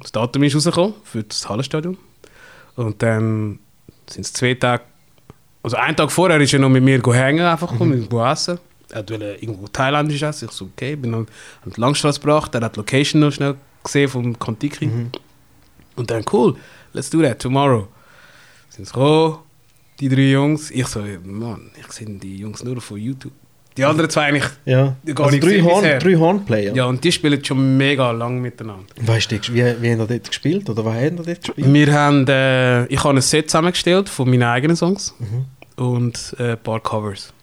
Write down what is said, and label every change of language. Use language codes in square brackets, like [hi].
[de] Das Datum ist rausgekommen für das Hallenstadion. Und dann sind es zwei Tage, also einen Tag vorher ist er noch mit mir hängen, einfach gekommen, irgendwo essen. Er wollte irgendwo thailändisch essen. Ich so, okay, bin dann an die Langstrasse gebracht, er hat die Location noch schnell gesehen vom Kontiki. Mhm. Und dann, [en] cool, let's do that, tomorrow. [de] Sind sie gekommen, die drei Jungs. Ich so, Mann, ich sehe die Jungs nur von YouTube. Die anderen zwei eigentlich ja. Gar also nicht. Drei Hornplayer. Ja, und die spielen schon mega lang miteinander. Weißt du, wie haben die dort gespielt? Oder was haben die dort gespielt? Wir haben, ich habe ein Set zusammengestellt von meinen eigenen Songs und ein paar Covers.